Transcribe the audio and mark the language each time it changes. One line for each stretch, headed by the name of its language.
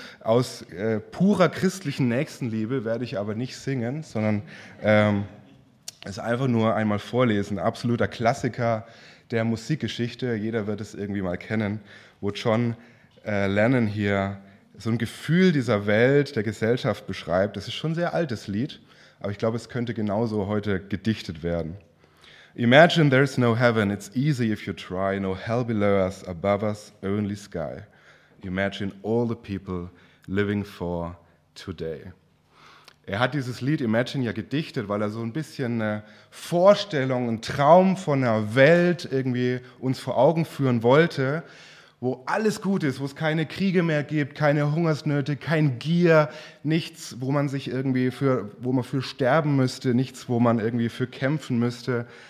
German: Aus purer christlichen Nächstenliebe werde ich aber nicht singen, sondern es einfach nur einmal vorlesen. Absoluter Klassiker der Musikgeschichte, jeder wird es irgendwie mal kennen, wo John Lennon hier so ein Gefühl dieser Welt, der Gesellschaft beschreibt. Das ist schon ein sehr altes Lied, aber ich glaube, es könnte genauso heute gedichtet werden.
English: Imagine there's no heaven, it's easy if you try, no hell below us, above us, only sky. Imagine all the people living for today.
German: Er hat dieses Lied Imagine ja gedichtet, weil er so ein bisschen eine Vorstellung, einen Traum von einer Welt irgendwie uns vor Augen führen wollte, wo alles gut ist, wo es keine Kriege mehr gibt, keine Hungersnöte, kein Gier, nichts, wo man sich irgendwie für, wo man für sterben müsste, nichts, wo man irgendwie für kämpfen müsste.